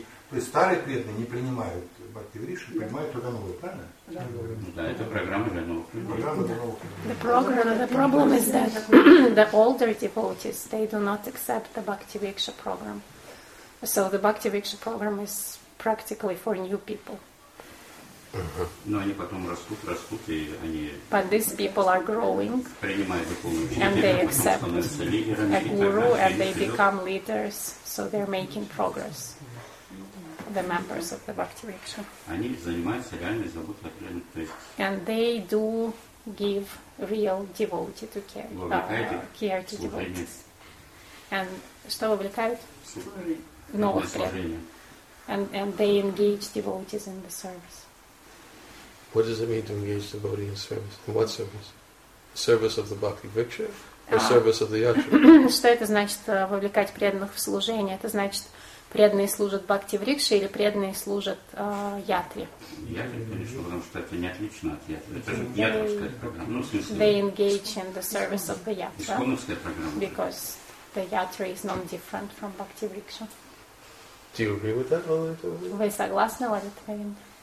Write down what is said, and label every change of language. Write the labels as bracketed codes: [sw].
[ru] То есть старые преданные не принимают Бхакти Вриксу, принимают только новые, правильно? Да, это программа для новых. Программа для новых. [en] The program, the problem is that the older devotees, they do not accept the Bhakti Vriksha program. So the Bhakti Vriksha program is practically for new people. [ru] Но они потом растут, и они. [en] But these people are growing. [ru] Принимают духовную жизнь. [en] And they accept a guru, and they become leaders. So they're making progress. The members of the Bhakti Riksha. And they do give real devotee to care, care to devotees. And [ru] что вовлекают? Новых преданных. [en] And they engage devotees in the service. What does it mean to engage devotee in service? In what service? Service of the Bhakti Riksha or service of the Yatra? [ru] Что это значит вовлекать преданных в служение? Это значит преданные служат Бхакти Вриксе или преданные служат Ятре? Ятре, конечно, потому что это не отлично от Ятры. Это же ятровская программа. Ну, в смысле, [en] they engage in the service of the Yatra. [ru] Исконовская программа. [en] Because the Yatra is no different from Bhakti Vriksha. Do you agree with that, Лолита? [ru] Вы согласны, Лолита Говинда?